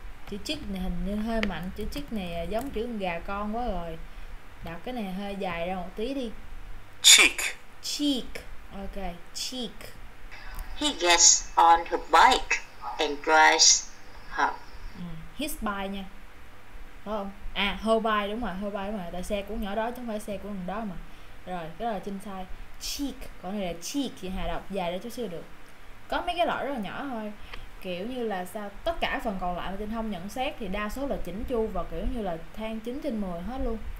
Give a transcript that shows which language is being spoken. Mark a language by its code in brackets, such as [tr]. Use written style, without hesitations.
[vi] Chữ chick này hình như hơi mạnh. Chữ chick này giống chữ gà con quá rồi. Đọc cái này hơi dài ra một tí đi. [en] Cheek. Cheek. Ok, cheek. He gets on her bike and drives her. His bike [vi] nha. Phải không? À, her bike đúng rồi, her bike đúng rồi. Tại xe của nhỏ đó chứ không phải xe của người đó mà. Rồi, cái đó là chính sai. Cheek, còn này là cheek thì Hà đọc dài ra chút xíu được. Có mấy cái lỗi rất là nhỏ thôi. Kiểu như là sao tất cả phần còn lại mà Trinh không nhận xét thì đa số là chỉnh chu và kiểu như là thang 9 trên 10 hết luôn.